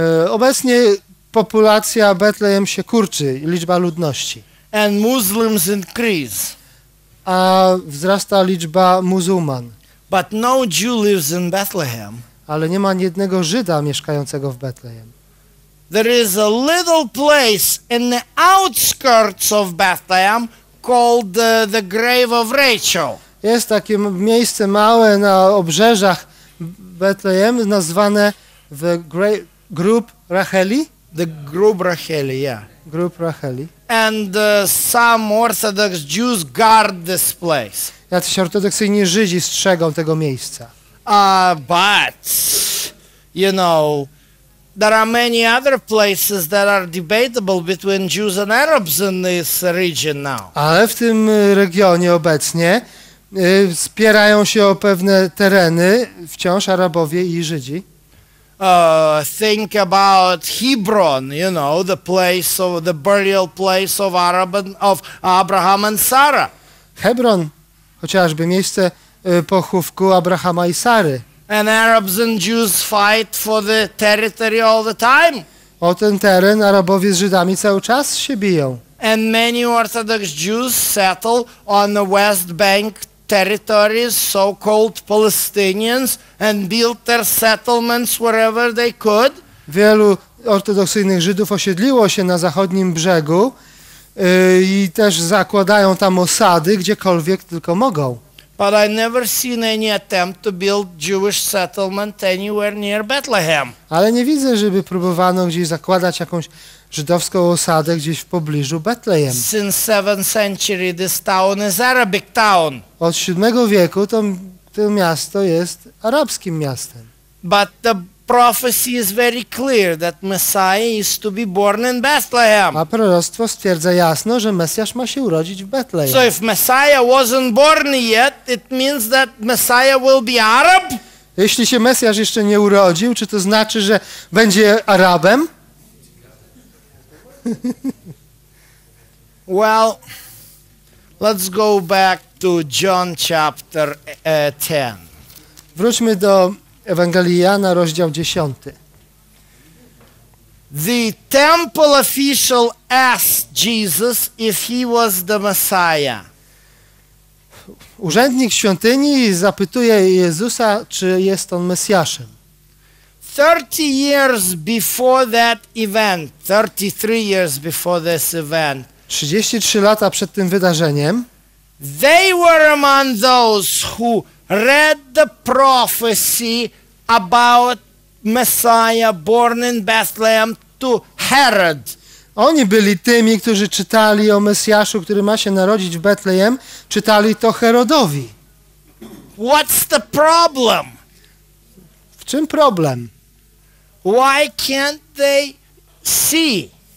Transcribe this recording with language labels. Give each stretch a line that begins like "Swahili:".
Polish: Obecnie populacja Bethlehem się kurczy, liczba ludności.
English: And Muslims increase.
Polish: A wzrasta liczba muzułman.
English: But no Jew lives in Bethlehem.
Polish: Ale nie ma jednego Żyda mieszkającego w Bethlehem.
English: There is a little place in the outskirts of Bethlehem called the grave of Rachel.
Polish: Jest takie miejsce małe na obrzeżach Betlejem, nazwane The Grób Racheli. The Grób Racheli, yeah. Grób Racheli.
English: And some Orthodox Jews guard this place.
Polish: Jacyś ortodoksyjni Żydzi strzegą tego miejsca.
English: But, you know, there are many other places that are debatable between Jews and Arabs in this region now.
Polish: Ale w tym regionie obecnie spierają się o pewne tereny, wciąż Arabowie i Żydzi.
English: Think about Hebron, you know, the place of the burial place of Arab and, of Abraham and Sarah.
Polish: Hebron, chociażby miejsce pochówku Abrahama i Sary.
English: And Arabs and Jews fight for the territory all the time.
Polish: O ten teren Arabowie z Żydami cały czas się biją.
English: And many Orthodox Jews settle on the West Bank territories, so-called Palestinians, and built their settlements wherever they could.
Polish: Wielu ortodoksyjnych Żydów osiedliło się na zachodnim brzegu i też zakładają tam osady, gdziekolwiek tylko mogą.
English: But I never seen any attempt to build Jewish settlement anywhere near Bethlehem.
Polish: Ale nie widzę, żeby próbowano gdzieś zakładać jakąś żydowską osadę gdzieś w pobliżu Betlejem.
English: Since 7th century this town is Arabic town.
Polish: Od VII wieku to miasto jest arabskim miastem.
English: But the prophecy is very clear that Messiah is to be born in Bethlehem.
Polish: A proroctwo stwierdza jasno, że Mesjasz ma się urodzić w Betlejem.
English: So if Messiah wasn't born yet, it means that Messiah will be Arab?
Polish: Jeśli się Mesjasz jeszcze nie urodził, czy to znaczy, że będzie Arabem?
English: Well, let's go back to John chapter 10.
Polish: Wróćmy do Ewangelii Jana, rozdział 10.
English: The temple official asked Jesus if he was the Messiah.
Polish: Urzędnik świątyni zapytuje Jezusa, czy jest on Mesjaszem.
English: 30 years before that event, 33 years before this event.
Polish: 33 lata przed tym wydarzeniem.
English: They were among those who read the prophecy about Messiah born in Bethlehem to Herod.
Polish: Oni byli tymi, którzy czytali o Mesjaszu, który ma się narodzić w Betlejem, czytali to Herodowi.
English: What's the problem?
Polish: W czym problem?
English: Why can't they see?